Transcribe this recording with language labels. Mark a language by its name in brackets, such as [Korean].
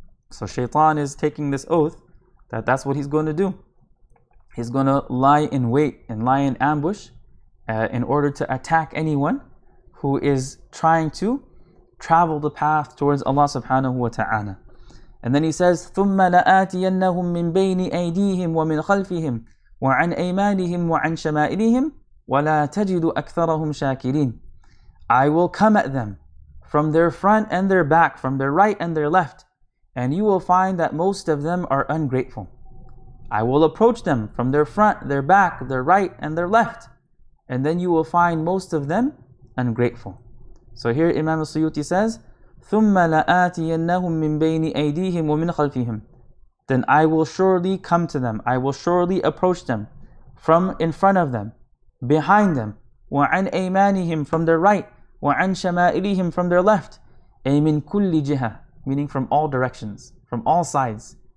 [English] So Shaytan is taking this oath that that's what he's going to do. He's going to lie in wait and lie in ambush in order to attack anyone who is trying to travel the path towards Allah subhanahu wa ta'ala. And then he says, [Arabic] ثُمَّ لَآتِيَنَّهُمْ مِنْ بَيْنِ أَيْدِيهِمْ وَمِنْ خَلْفِهِمْ وَعَنْ أَيْمَانِهِمْ وَعَنْ شَمَائِلِهِمْ وَلَا تَجِدُ أَكْثَرَهُمْ شَاكِرِينَ. [English] I will come at them from their front and their back, from their right and their left, and you will find that most of them are ungrateful. I will approach them from their front, their back, their right, and their left, and then you will find most of them ungrateful. So here Imam al-Suyuti says, [Arabic] ثُمَّ لَآتِيَنَّهُمْ مِنْ بَيْنِ أَيْدِيهِمْ وَمِنْ خَلْفِهِمْ. [English] Then I will surely come to them, I will surely approach them, from in front of them, behind them, [Arabic] وَعَنْ أَيْمَانِهِمْ, [English] from their right, [Arabic] وَعَنْ شَمَائِلِهِمْ, [English] from their left, [Arabic] أَيْمِنْ كُلِّ جِهَةٍ, [English] meaning from all directions, from all sides.